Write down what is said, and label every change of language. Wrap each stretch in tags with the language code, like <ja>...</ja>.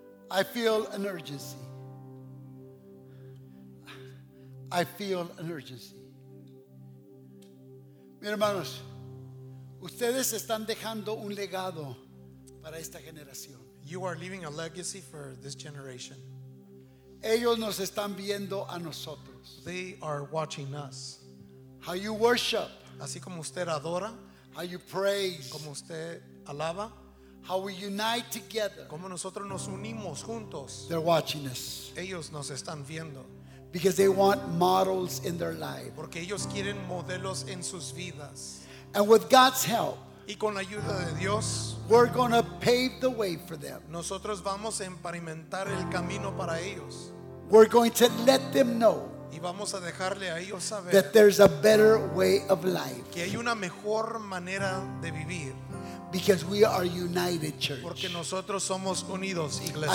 <en>I feel an urgency. I feel an urgency.</en> <es>Mis hermanos, ustedes están dejando un legado para esta generación.</es> <en>You are leaving a legacy for this generation.</en> <es>Ellos nos están viendo a nosotros.</es> <en>They are watching us. How you worship.</en> <es>Así como usted adora.</es> <en>How you praise.</en> <es>Como usted alaba.</es> <en>How we unite together.</en> <es>Como nosotros nos unimos juntos.</es> <en>They're watching us.</en> <es>Ellos nos están viendo.</es> <en>Because they want models in their life.</en> <es>Porque ellos quieren modelos en sus vidas.</es> <en>And with God's help.</en> <es>Y con la ayuda de Dios,</es> <en>we're going to pave the way for them.</en> <es>Nosotros vamos a emparimentar el camino para ellos.</es> <en>We're going to let them know.</en> <es>Y vamos a dejarle a ellos saber.</es> <en>That there's a better way of life.</en> <es>Que hay una mejor manera de vivir.</es> <en>Because we are united, church.</en> <es>Porque nosotros somos unidos, iglesia.</es>